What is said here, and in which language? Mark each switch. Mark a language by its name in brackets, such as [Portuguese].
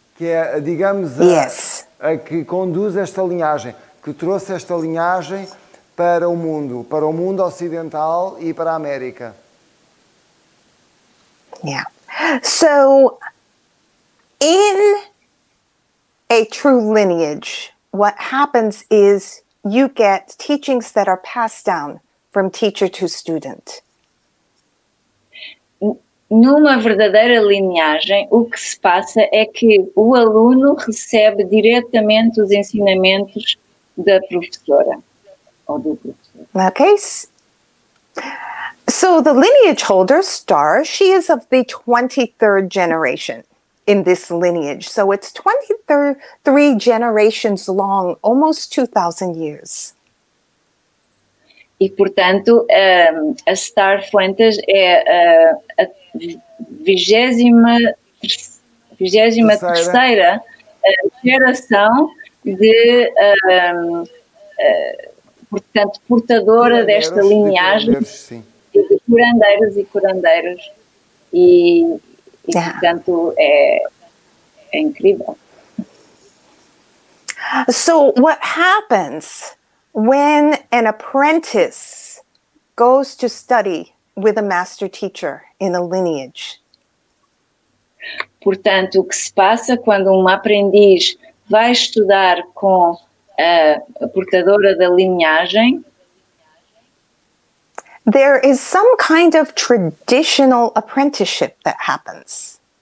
[Portuguese] Que é, digamos, a que conduz esta linhagem, que trouxe esta linhagem para o mundo ocidental e para a América. [English] Yeah. So, in a true lineage, what happens is you get teachings that are passed down from teacher to student. [Portuguese] Numa verdadeira linhagem, o que se passa é que o aluno recebe diretamente os ensinamentos da professora. [English] Okay. So the lineage holder, Star, she is of the 23rd generation in this lineage. So it's 23 generations long, almost 2,000 years. [Portuguese] E portanto, a Star Fuentes é a 23ª geração de portanto, portadora desta linhagem de curandeiros e curandeiras. E portanto, é incrível. [English] So, what happens when an apprentice goes to study with a master teacher in a lineage? [Portuguese] Portanto, o que se passa quando um aprendiz vai estudar com a portadora da linhagem? [English] There is some kind of traditional apprenticeship that happens.